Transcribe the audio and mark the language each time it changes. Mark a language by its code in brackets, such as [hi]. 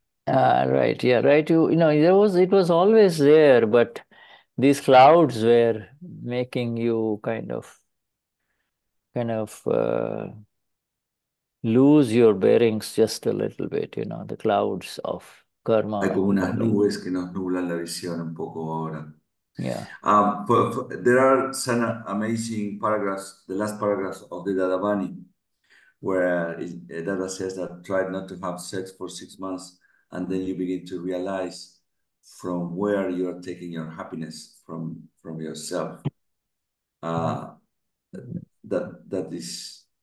[en] Right. It was always there, but these clouds were making you kind of lose your bearings just a little bit, you know, the clouds of karma. [es] Hay como unas nubes que nos nublan la visión un poco ahora. [en] Yeah. There are some amazing paragraphs, the last paragraphs of the Dadavani, where Dada says that tried not to have sex for 6 months, and then you begin to realize from where you are taking your happiness from yourself. That is